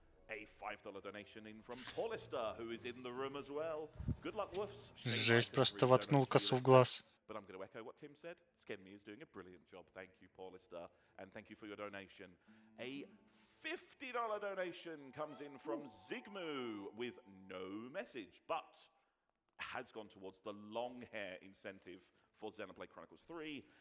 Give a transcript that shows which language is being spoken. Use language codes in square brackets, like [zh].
[en] A $5 donation in from Paulister, who is in the room as well. Good luck, Woofs. [ru] Жесть, просто воткнул косу в глаз. [en] But I'm going to echo what Tim said. Skedmi is doing a brilliant job. Thank you, Paulister. And thank you for your donation. A $50 donation comes in from Zigmu with no message, but has gone towards the long hair incentive for Xenoblade Chronicles 3.